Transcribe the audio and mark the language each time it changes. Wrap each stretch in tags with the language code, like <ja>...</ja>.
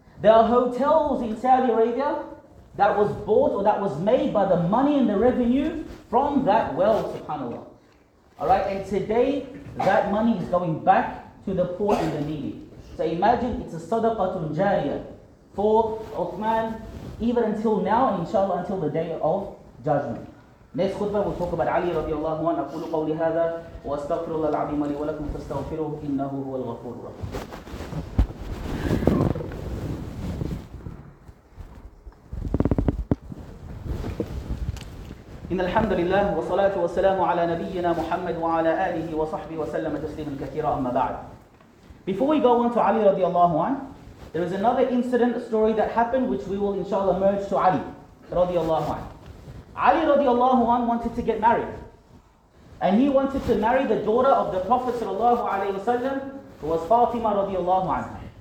<en>There are hotels in Saudi Arabia that was bought or that was made by the money and the revenue from that wealth, subhanAllah. Alright, and today that money is going back to the poor and the needy. So imagine it's a sadaqatun jariyah for Uthman, even until now, and inshallah until the day of judgment. Next khutbah we'll talk about Ali radiallahu anhu.</en> <ar>أقول قولي هذا وأستغفر الله العظيم لي ولكم فاستغفروه إنه هو الغفور الرحيم. إن الحمد لله والصلاة والسلام على نبينا محمد وعلى آله وصحبه وسلم تسليما كثيرا أما بعد.</ar> <en>Before we go on to Ali radiallahu anhu, there is another incident, a story that happened which we will inshallah merge to Ali radiallahu anhu. Ali radiallahu anhu wanted to get married. And he wanted to marry the daughter of the Prophet sallallahu alayhi wa sallam, who was Fatima radiallahu anhu.</en>